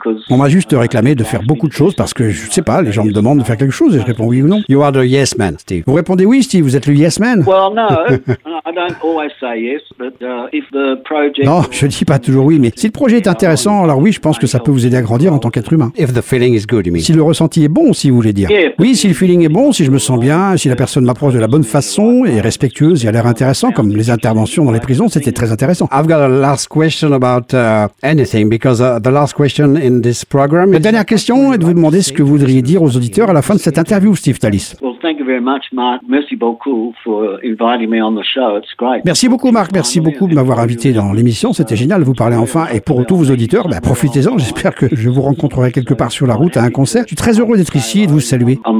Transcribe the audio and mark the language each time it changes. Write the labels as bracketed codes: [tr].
[fr] On m'a juste réclamé de faire beaucoup de choses parce que, je ne sais pas, les gens me demandent de faire quelque chose et je réponds oui ou non. [en] You are the yes man, Steve. [fr] Vous répondez oui, Steve, vous êtes le yes man. [en] Well, no, I don't always say yes, but if the project... [fr] Non, je ne dis pas toujours oui, mais si le projet est intéressant, alors oui, je pense que ça peut vous aider à grandir en tant qu'être humain. [en] If the feeling is good, you mean. [fr] Si le ressenti est bon, si vous voulez dire. Oui, si le feeling est bon, si je me sens bien, si la personne m'approche de la bonne façon et respectueuse et a l'air intéressant, comme les interventions dans les prisons, c'était très intéressant. [en] I've got a last question about anything, because the last question in this program... [fr] La dernière question est de vous demander ce que vous voudriez dire aux auditeurs à la fin de cette interview, Steve Tallis. [en] Well, thank you very much, Mark. [fr] Merci beaucoup [en] for inviting me on the show. It's great. [fr] Merci beaucoup, Mark. Merci beaucoup de m'avoir invité dans l'émission. C'était génial de vous parler enfin. Et pour tous vos auditeurs, bah, profitez-en. J'espère que je vous rencontrerai quelque part sur la route à un concert. Je suis très heureux d'être ici et de vous saluer.